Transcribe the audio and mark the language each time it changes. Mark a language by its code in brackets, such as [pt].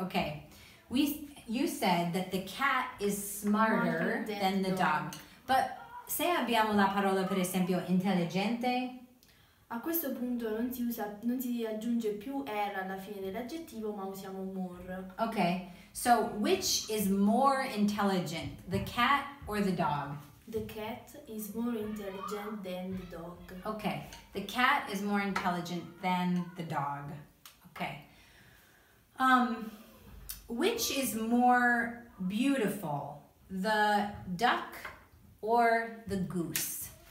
[en] Ok, you said that the cat is smarter than the dog. [it] But se abbiamo la parola, per esempio, intelligente? A questo punto non si aggiunge più R alla fine dell'aggettivo, ma usiamo more. Ok. [en] So, which is more intelligent, the cat or the dog? The cat is more intelligent than the dog. Okay, the cat is more intelligent than the dog. Okay. Which is more beautiful, the duck or the goose?